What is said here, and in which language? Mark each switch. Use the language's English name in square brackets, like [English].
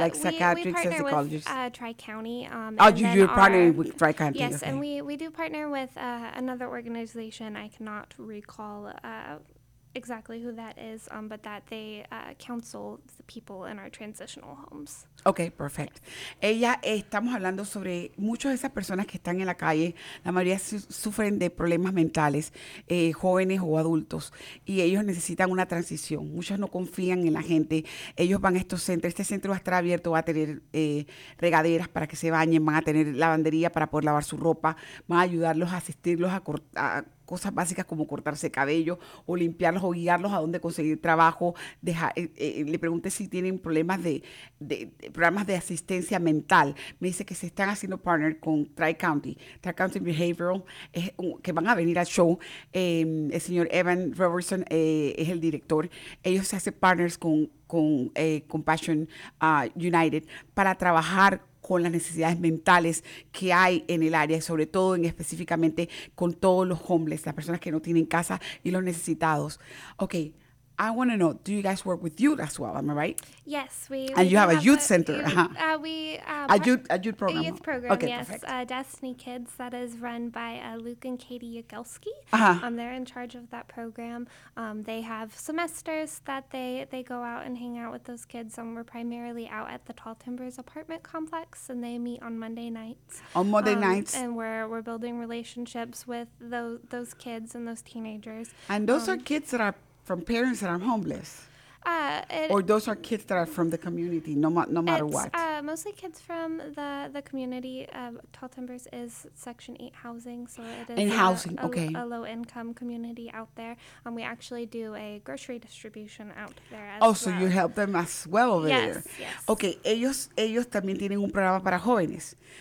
[English] Like psychiatric psychologists? We partner with Tri-County. You're partnering with Tri-County. Yes, okay. And we do partner with another organization. I cannot recall exactly who that is, but that they counsel the people in our transitional homes. Okay, perfect. [Spanish] Ella, estamos hablando sobre muchas de esas personas que están en la calle, la mayoría sufren de problemas mentales, jóvenes o adultos, y ellos necesitan una transición. Muchos no confían en la gente. Ellos van a estos centros. Este centro va a estar abierto, va a tener regaderas para que se bañen, van a tener lavandería para poder lavar su ropa, van a ayudarlos a asistirlos a cortar cosas básicas como cortarse cabello o limpiarlos o guiarlos a dónde conseguir trabajo. Le pregunté si tienen problemas de programas de asistencia mental. Me dice que se están haciendo partner con Tri-County, Tri-County Behavioral, que van a venir al show. El señor Evan Robertson es el director. Ellos se hacen partners con Compassion United para trabajar con las necesidades mentales que hay en el área, sobre todo en específicamente con todos los homeless, las personas que no tienen casa y los necesitados. [English] Okay, I want to know, do you guys work with youth as well, am I right? Yes, we do. And you have a youth center. A youth program. A youth program, okay, yes. Perfect. Destiny Kids, that is run by Luke and Katie Yagelski. Uh-huh. They're in charge of that program. They have semesters that they go out and hang out with those kids. And we're primarily out at the Tall Timbers apartment complex, and they meet on Monday nights. On Monday nights. And we're building relationships with those kids and those teenagers. And those are kids that are from parents that are homeless? Or those are kids that are from the community, no matter what? Mostly kids from the community. Tall Timbers is Section 8 housing, so it is in housing, a low-income community out there. We actually do a grocery distribution out there as well. Oh, so you help them as well over yes, there? Yes, [Spanish] okay, ellos también tienen un programa para jóvenes.